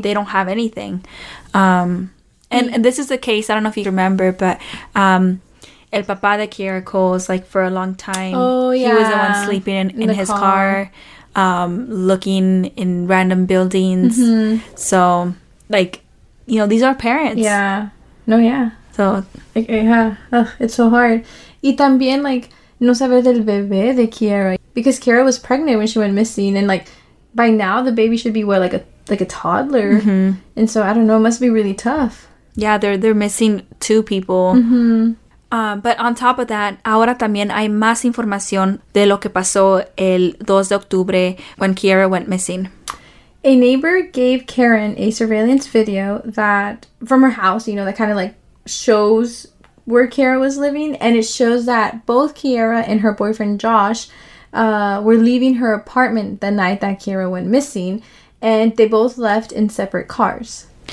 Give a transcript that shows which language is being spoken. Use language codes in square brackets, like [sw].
[en] They don't have anything. And this is the case, I don't know if you remember, but [es] el papá de Kiara Coles, [en] like, for a long time, He was the one sleeping in his car, looking in random buildings. Mm-hmm. So, like, you know, these are parents. Yeah. No, yeah. So, It's so hard. [es] Y también, like, no saber del bebé de Kiara. [en] Because Kiara was pregnant when she went missing. And, like, by now, the baby should be, what, like a toddler? Mm-hmm. And so, I don't know, it must be really tough. Yeah, they're missing two people. Mm-hmm. But on top of that, [es] ahora también hay más información de lo que pasó el 2 de octubre [en] when Kiara went missing. A neighbor gave Karen a surveillance video that, from her house, you know, that kind of, like, shows where Kiara was living, and it shows that both Kiara and her boyfriend Josh were leaving her apartment the night that Kiara went missing, and they both left in separate cars.